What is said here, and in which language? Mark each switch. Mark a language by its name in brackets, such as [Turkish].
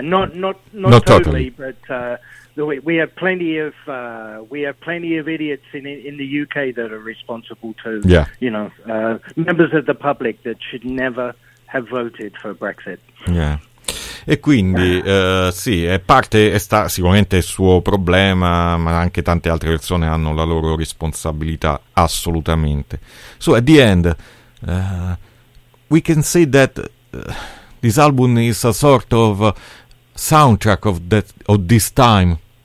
[English] Not totally, but we have plenty of idiots in the UK that are responsible too. Yeah. Members of the public that should never have voted for Brexit. Yeah. [Italian] E quindi sì, è parte, sicuramente è il suo problema, ma anche tante altre persone hanno la loro responsabilità, assolutamente. [English] So at the end, we can say that this album is a sort of soundtrack of this time,